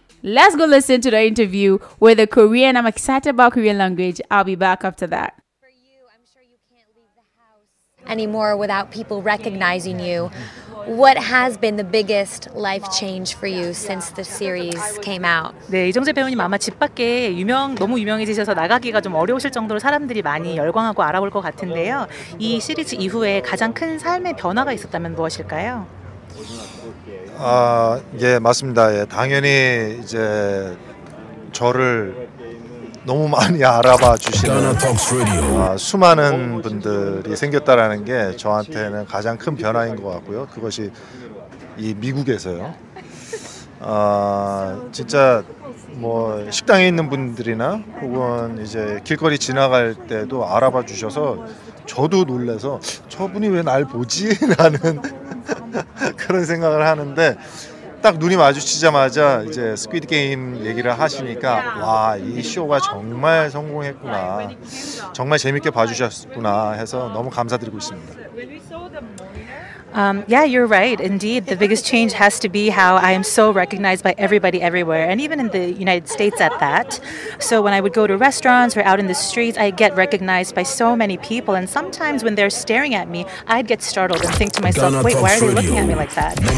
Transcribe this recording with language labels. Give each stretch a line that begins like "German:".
English: Let's go listen to the interview with the Korean. I'm excited about Korean language. I'll be back after that. "For you, I'm sure you can't leave the house anymore without people recognizing you. What has been the biggest life change for you since the series came out?"
Korean: 네, 이정재 배우님 아마 집 밖에 유명, 너무 유명해지셔서 나가기가 좀 어려우실 정도로 사람들이 많이 열광하고 알아볼 것 같은데요. 이 시리즈 이후에 가장 큰 삶의 변화가 있었다면 무엇일까요? 아, 예, 맞습니다. 예, 당연히 이제 저를 너무 많이 알아봐 주시는 수많은 분들이 생겼다라는 게 저한테는 가장 큰 변화인 것 같고요. 그것이 이 미국에서요. 아, 진짜 뭐 식당에 있는 분들이나 혹은 이제 길거리 지나갈 때도 알아봐 주셔서 저도 놀라서 저분이 왜 날 보지? 라는 그런 생각을 하는데 딱 눈이 마주치자마자 이제 스퀴드 게임 얘기를 하시니까 와, 이 쇼가 정말 성공했구나. 정말 재밌게 봐주셨구나 해서 너무 감사드리고 있습니다.
English: Yeah, you're right. Indeed, the biggest change has to be how I am so recognized by everybody everywhere, and even in the United States at that. So when I would go to restaurants or out in the streets, I get recognized by so many people, and sometimes when they're staring at me, I'd get startled and think to myself, wait, why are they looking at me like that?